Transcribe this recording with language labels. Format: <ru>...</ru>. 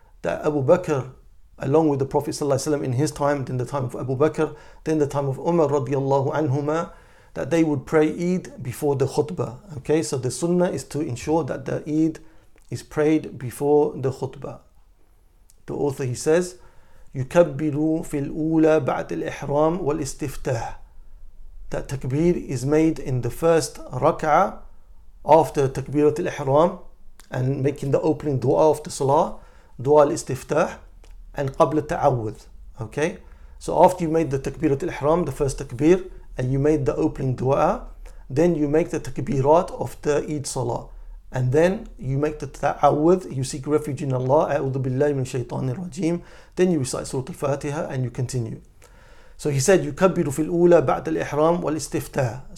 <en>That Abu Bakr, along with the Prophet sallallahu alaihi wasallam in his time, then the time of Abu Bakr, then the time of Umar radiyallahu anhuma, that they would pray Eid before the khutbah. Okay, so the sunnah is to ensure that the Eid is prayed before the khutbah. The author, he says,</en> <ar>يُكَبِّرُوا فِي الْأُولَى بَعْدِ الْإِحْرَامِ وَالْإِسْتِفْتَاحِ.</ar> <en>That takbir is made in the first rak'ah after takbirat al-ihram, and making the opening dua of the salah, dua al-istiftah, and qabla ta'awud. Okay, so after you made the takbirat al-ihram, the first takbir, and you made the opening dua, then you make the takbirat of the Eid salah, and then you make the ta'awud, you seek refuge in Allah, a'udhu billahi min shaytanir rajim, then you recite Surah Al-Fatiha and you continue. So he said,</en> <ar>يُكَبِّرُ فِي الْأُولَى بَعْدَ الْإِحْرَامِ وَالْإِسْتِفْتَاحِ.</ar>